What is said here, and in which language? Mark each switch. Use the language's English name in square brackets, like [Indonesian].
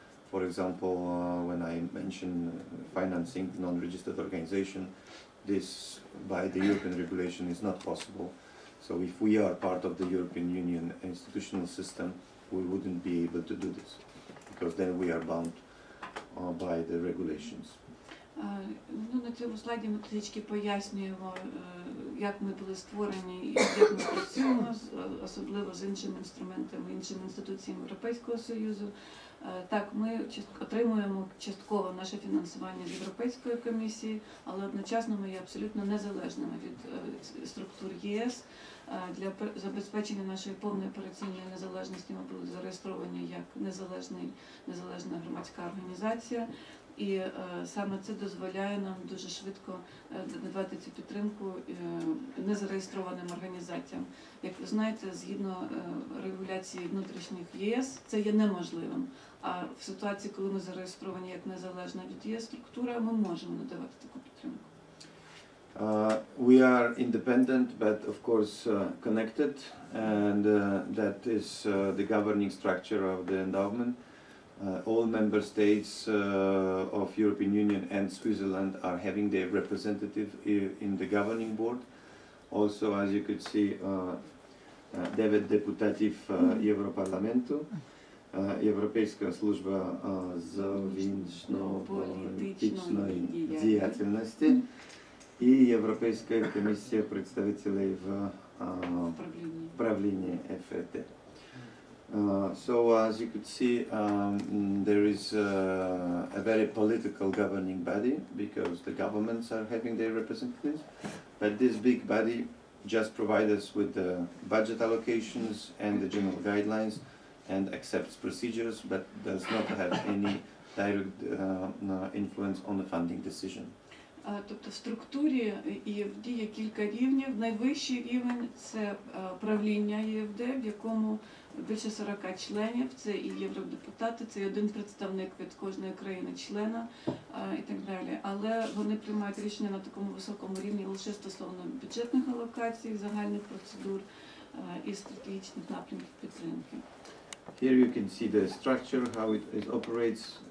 [English] For example, when I mentioned financing non-registered organization, this by the European regulation is not possible. So if we are part of the European Union institutional system, we wouldn't be able to do this, because then we are bound by the regulations. [Ukrainian] Ну, на цьому слайді ми трішки пояснюємо, як ми були створені і як ми працюємо, особливо з іншими інструментами, іншими інституціями Європейського Союзу. Так, ми отримуємо частково наше фінансування з Європейської комісії, але одночасно ми є абсолютно незалежними від структур ЄС. Для забезпечення нашої повної операційної незалежності ми були зареєстровані як незалежна громадська організація. І саме це дозволяє нам дуже швидко надавати цю підтримку незареєстрованим організаціям. Як ви знаєте, згідно регуляції внутрішніх ЄС, це є неможливим. А в ситуації, коли ми зареєстровані як незалежна від ЄС структура, ми можемо надавати таку підтримку. [English] We are independent, but of course connected, and that is the governing structure of the endowment. All member states of European Union and Switzerland are having their representative in the governing board. Also, as you could see, [Ukrainian] 9 депутатів Європарламенту, Європейська служба з зовнішньополітичної діяльності і Європейська комісія представителей в правлінні ЕФТ. [English] So as you could see, there is a very political governing body because the governments are having their representatives, but this big body just provides us with the budget allocations and the general guidelines and accepts procedures, but does not have any direct influence on the funding decision. [Ukrainian] Тобто в структурі ЄФД є кілька рівнів. Найвищий рівень – це правління ЄФД, в якому більше 40 членів, це і євродепутати, це і один представник від кожної країни-члена і так далі. Але вони приймають рішення на такому високому рівні лише стосовно бюджетних алокацій, загальних процедур і стратегічних напрямків підтримки. [English] Here you can see the structure, how it operates.